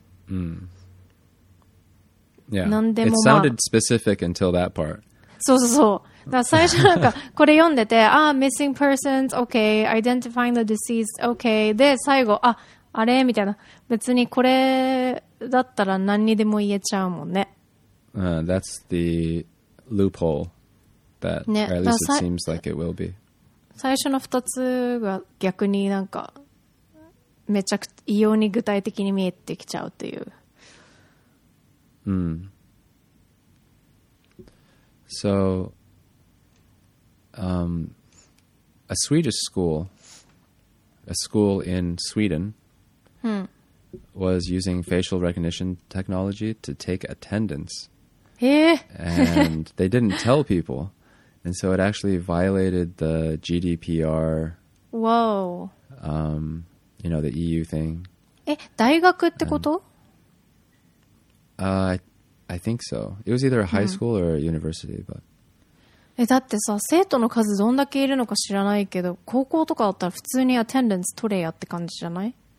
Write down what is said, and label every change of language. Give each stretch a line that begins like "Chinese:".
English: うん。Yeah. It sounded specific until that part.
Japanese: そうそうそう。だから最初なんかこれ読んでて、ああ、
English: missing persons, okay, identifying the deceased, okay.
Japanese: で、最後、あれみたいな。別にこれだったら何にでも言えちゃうもんね。
English: That's the loophole that,、
Japanese: ね、
English: or at least it seems like it will be.
Japanese: 最初の2つが逆になんか、めちゃくちゃ異様に具体的に見えてきちゃうという。 Hmm.
English: So, a Swedish school, a school in Sweden, was using facial recognition technology to take attendance. And they didn't tell people. And so it actually violated the GDPR. Whoa. You know, the EU thing.
Japanese: 大学ってこと?
English: I think so. It was either a high school or a university, but.
Japanese: だってさ、生徒の数どんだけいるのか知らないけど、高校とかだったら普通にアテンデンス取れやって感じじゃない?